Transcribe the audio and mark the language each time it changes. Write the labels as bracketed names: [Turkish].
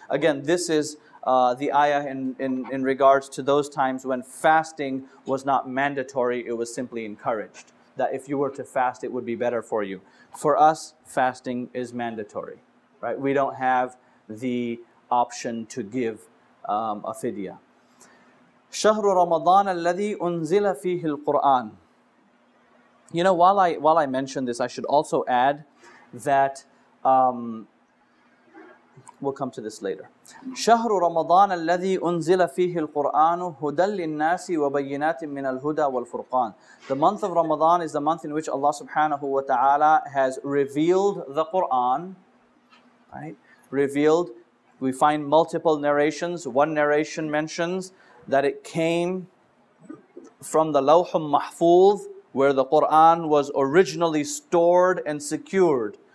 [English] Again, this is the ayah in regards to those times when fasting was not mandatory, it was simply encouraged. That if you were to fast, it would be better for you. For us, fasting is mandatory, right? We don't have the option to give a fidya. [Arabic] شهر رمضان الذي أنزل فيه القرآن. [English] You know, while I mention this, I should also add that we'll come to this later. [Arabic] شهر رمضان الذي أنزل فيه القرآن هدى للناس وبينات من الهدى والفرقان. [English] The month of Ramadan is the month in which Allah subhanahu wa ta'ala has revealed the Quran, right? Revealed. We find multiple narrations. One narration mentions that it came from the Lawhul Mahfuz, where the Qur'an was originally stored and secured.